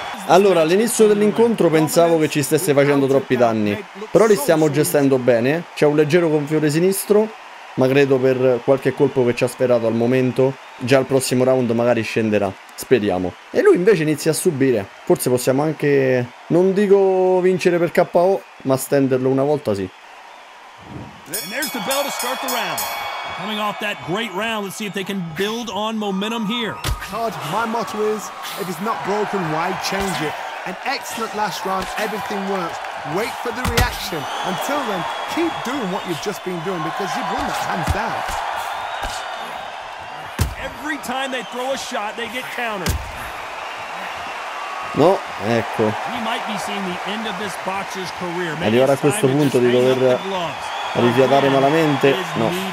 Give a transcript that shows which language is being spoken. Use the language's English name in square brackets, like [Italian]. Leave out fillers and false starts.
[Italian] Allora, all'inizio dell'incontro pensavo che ci stesse facendo troppi danni, però li stiamo gestendo bene. C'è un leggero gonfiore sinistro, ma credo per qualche colpo che ci ha sferrato al momento, già al prossimo round magari scenderà, speriamo. E lui invece inizia a subire, forse possiamo anche, non dico vincere per KO, ma stenderlo una volta sì. [English] And there's the bell to start the round. Coming off that great round, let's see if they can build on momentum here. Todd, my motto is, if it's not broken, why change it? An excellent last round, everything works. Wait for the reaction. Until then, keep doing what you've just been doing because you've won that hands down. Every time they throw a shot, they get countered. [Italian] No, ecco. [English] We might be seeing the end of this boxer's career. Maybe [Italian] arrivare a questo punto di dover rifiatare malamente, no.